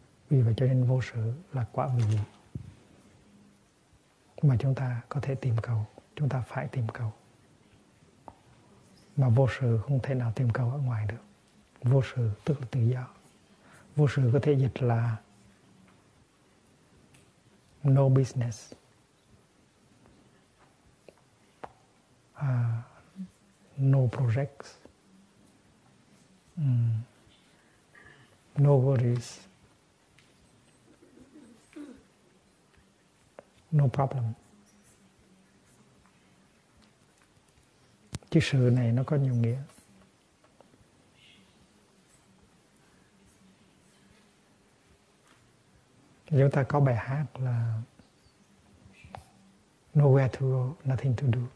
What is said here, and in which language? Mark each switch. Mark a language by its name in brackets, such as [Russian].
[Vietnamese] Vì vậy cho nên vô sự là quả vị mà chúng ta có thể tìm cầu, chúng ta phải tìm cầu. Mà vô sự không thể nào tìm cầu ở ngoài được. Vô sự tức là tự do. Vô sự có thể dịch là no business. [English] No projects, no worries, no problem. [Vietnamese] Chứ sự này nó có nhiều nghĩa. Chúng ta có bài hát là Nowhere to go, nothing to do.